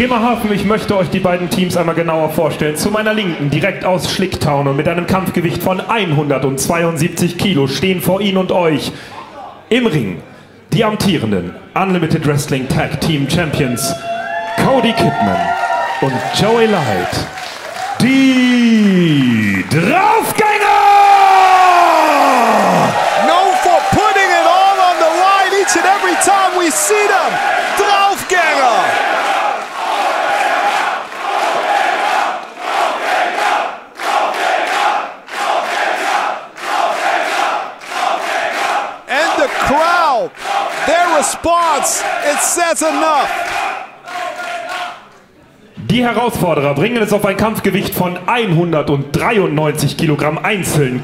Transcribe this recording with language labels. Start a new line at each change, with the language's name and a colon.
German: Bremerhaven, ich möchte euch die beiden Teams einmal genauer vorstellen. Zu meiner Linken, direkt aus Schlicktown und mit einem Kampfgewicht von 172 Kilo, stehen vor Ihnen und euch im Ring die amtierenden Unlimited Wrestling Tag Team Champions Cody Kidman und Joey Light, die Draufgänger!
English: Known for putting it all on the line each and every time we see them!
German: Draufgänger!
English: And the crowd, their response, it says enough!
German: Die Herausforderer bringen es auf ein Kampfgewicht von 193 Kilogramm einzeln.